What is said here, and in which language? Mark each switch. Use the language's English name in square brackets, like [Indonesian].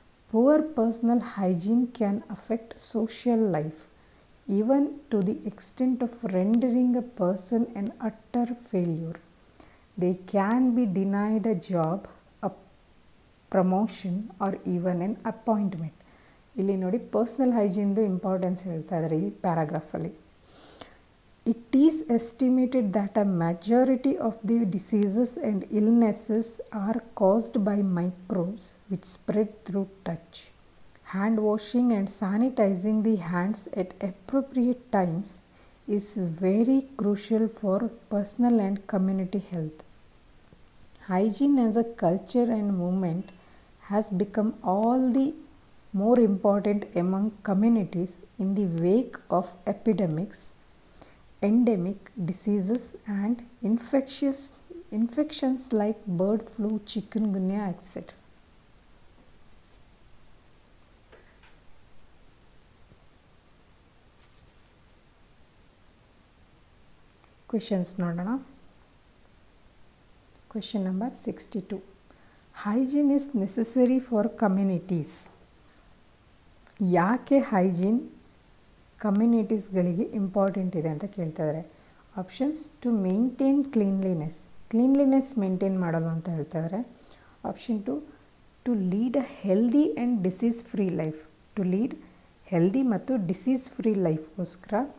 [English] Poor personal hygiene can affect social life, even to the extent of rendering a person an utter failure. They can be denied a job, a promotion, or even an appointment. [Kannada] ಇಲ್ಲಿ ನೋಡಿ, personal ಹೈಜೀನ್ದು importance ಹೇಳ್ತಾ ಇದ್ದಾರೆ ಈ ಪ್ಯಾರಾಗ್ರಾಫಲ್ಲಿ. [English] It is estimated that a majority of the diseases and illnesses are caused by microbes which spread through touch. Hand washing and sanitizing the hands at appropriate times is very crucial for personal and community health. Hygiene as a culture and movement has become all the more important among communities in the wake of epidemics, endemic diseases and infections like bird flu, chikungunya, etc. [Kannada] Questions nodana. [English] Question number 62. Hygiene is necessary for communities. [Kannada] ಯಾಕೆ hygiene ಕಮ್ಯುನಿಟೀಸ್ಗಳಿಗೆ important ಇದೆ ಅಂತ ಕೇಳ್ತಾ ಇದ್ದಾರೆ. Options, [English] to maintain cleanliness, [Kannada] cleanliness maintain ಮಾಡೋದು ಅಂತ ಹೇಳ್ತಾ ಇದ್ದಾರೆ. [English] Option two, to lead a healthy and disease free life, to lead healthy ಮತ್ತು disease free ಲೈಫ್ಗೋಸ್ಕರ.